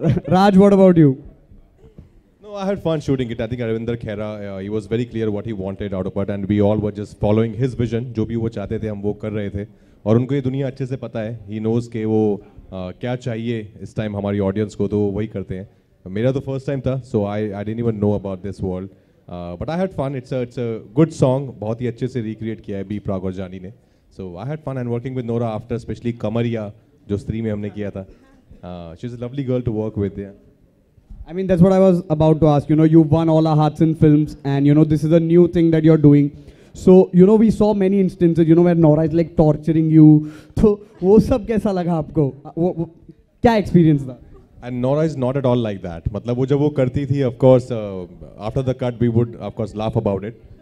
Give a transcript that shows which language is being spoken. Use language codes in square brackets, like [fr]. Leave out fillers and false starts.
[en] Raj, what about you? No, I had fun shooting it. I think Arvinder Khera, he was very clear what he wanted out of it, and we all were just following his vision. [hi] Jo bhi wo chahte the, hum wo kar rahe the. और उनको ये दुनिया अच्छे से पता है. [en] he knows [hi] के वो क्या चाहिए इस टाइम हमारी ऑडियंस को, तो वही करते हैं. मेरा तो फर्स्ट टाइम था, [en] So I didn't even know about this world, but I had fun. It's a good song, [hi] बहुत ही अच्छे से रिक्रिएट किया है बी प्राग और जानी ने. [en] so I had fun and working with Nora after, specially Kamariya [hi] जो स्त्री में हमने किया था. [en] She is a lovely girl to work with. I mean, that's what I was about to ask. You know, you've won all our hearts in films, and you know, this is a new thing that you're doing. So, you know, we saw many instances, you know, where Nora is like torturing you. [hi] So, wo sab kaisa laga aapko? Kya experience tha? [en] And Nora is not at all like that. [hi] Matlab wo jab wo karti thi, [en] of course, after the cut, we would, of course, laugh about it.